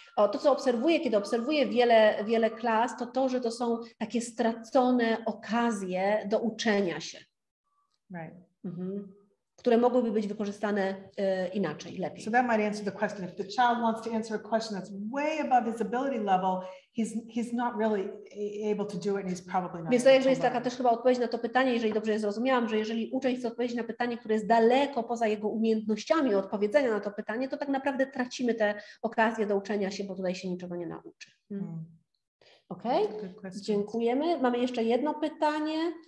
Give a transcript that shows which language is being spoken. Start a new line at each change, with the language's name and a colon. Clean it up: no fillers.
Polish: O, to co obserwuję, kiedy obserwuję wiele klas, to, że to są takie stracone okazje do uczenia się.
English: Right. Mm-hmm.
Polish: Które mogłyby być wykorzystane inaczej, lepiej.
English: So that might answer the question. If the child wants to answer a question that's way above his ability level, he's not really able to do it and he's probably not.
Polish: Więc to jest taka też chyba odpowiedź na to pytanie, jeżeli dobrze zrozumiałam, że jeżeli uczeń chce odpowiedzieć na pytanie, które jest daleko poza jego umiejętnościami odpowiedzenia na to pytanie, to tak naprawdę tracimy tę okazję do uczenia się, bo tutaj się niczego nie nauczy. Mm. Okay. Dziękujemy. Mamy jeszcze jedno pytanie.